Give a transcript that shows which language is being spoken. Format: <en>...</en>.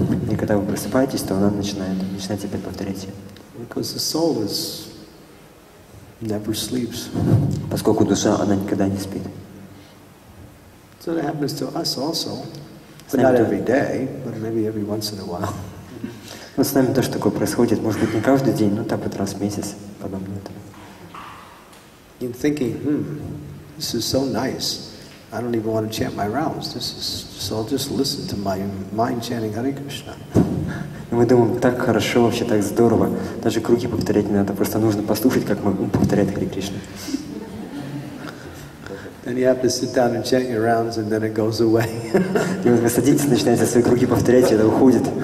<ru>И когда вы просыпаетесь, то она начинает опять повторять.</ru> <en>Because the soul is never sleeps.</en> <ru>Поскольку душа, она никогда не спит.</ru> <en>So that happens to us also. But not every day, but maybe every once in a while.</en> <ru>Ну, с нами тоже такое происходит. Может быть, не каждый день, но так вот раз в месяц, подобное это.</ru> <en>In thinking, this is so nice. I don't even want to chant my rounds. So I'll just listen to my mind chanting Hare Krishna.</en> <ru>И мы думаем, так хорошо, вообще так здорово. Даже круги повторять не надо, просто нужно послушать, как мы повторяем Hare Krishna.</ru> <en>Then you have to sit down and chant your rounds, and then it goes away.</en> <ru>И вот вы садитесь, начинаете свои круги повторять, и это уходит.</ru>